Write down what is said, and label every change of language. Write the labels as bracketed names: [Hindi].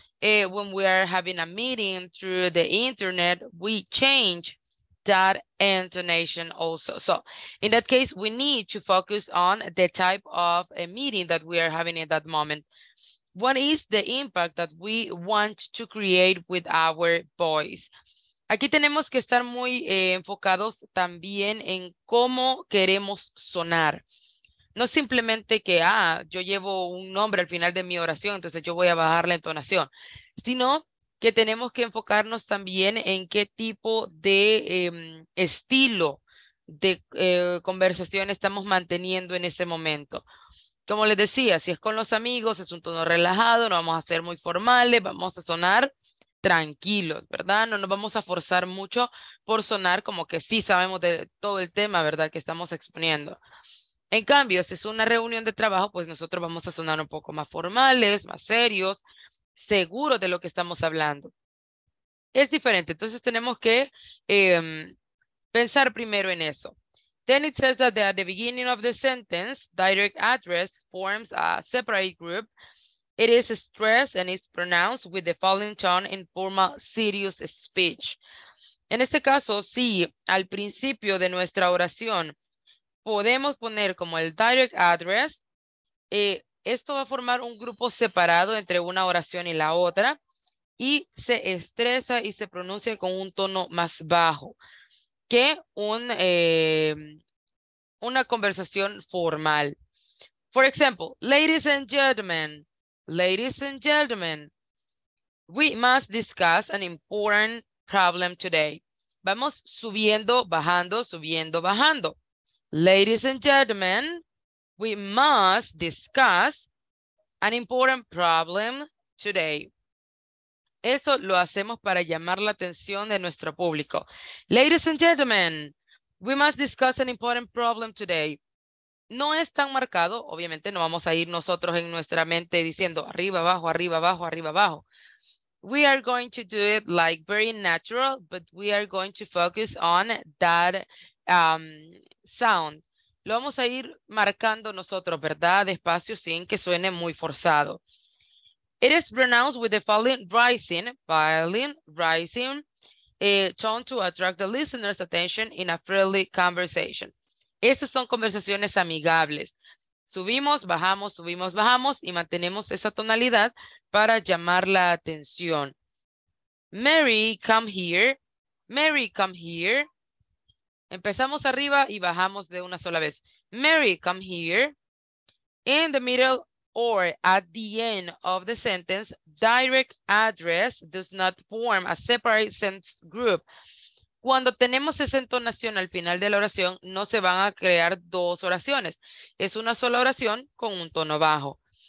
[English] When we are having a meeting through the internet, we change that intonation also. So in that case, we need to focus on the type of a meeting that we are having in that moment. What is the impact that we want to create with our voice? [Spanish] Aquí tenemos que estar muy enfocados también en cómo queremos sonar. No simplemente que, yo llevo un nombre al final de mi oración, entonces yo voy a bajar la entonación, sino que tenemos que enfocarnos también en qué tipo de estilo de conversación estamos manteniendo en ese momento. Como les decía, si es con los amigos, es un tono relajado, no vamos a ser muy formales, vamos a sonar tranquilos, ¿verdad? No nos vamos a forzar mucho por sonar como que sí sabemos de todo el tema, ¿verdad?, que estamos exponiendo. En cambio, si es una reunión de trabajo, pues nosotros vamos a sonar un poco más formales, más serios, seguros de lo que estamos hablando. Es diferente, entonces tenemos que pensar primero en eso. [English] Then it says that at the beginning of the sentence, direct address forms a separate group. It is stressed and is pronounced with the following tone in formal serious speech. [Spanish] En este caso, si al principio de nuestra oración podemos poner como el direct address, esto va a formar un grupo separado entre una oración y la otra y se estresa y se pronuncia con un tono más bajo que una conversación formal. [English] For example, ladies and gentlemen, we must discuss an important problem today. [Spanish] Vamos subiendo, bajando, subiendo, bajando. [English] Ladies and gentlemen, we must discuss an important problem today. [Spanish] Eso lo hacemos para llamar la atención de nuestro público. [English] Ladies and gentlemen, we must discuss an important problem today. [Spanish] No es tan marcado, obviamente no vamos a ir nosotros en nuestra mente diciendo arriba, abajo, arriba, abajo, arriba, abajo. [English] We are going to do it like very natural, but we are going to focus on that sound. [Spanish] Lo vamos a ir marcando nosotros, ¿verdad? Despacio, sin que suene muy forzado. [English] It is pronounced with the following rising tone to attract the listener's attention in a friendly conversation. [Spanish] Estas son conversaciones amigables. Subimos, bajamos y mantenemos esa tonalidad para llamar la atención. [English] Mary, come here. Mary, come here. [Spanish] Empezamos arriba y bajamos de una sola vez. [English] Mary, come here. In the middle or at the end of the sentence, direct address does not form a separate sentence group. [Spanish] Cuando tenemos esa entonación al final de la oración, no se van a crear dos oraciones. Es una sola oración con un tono bajo.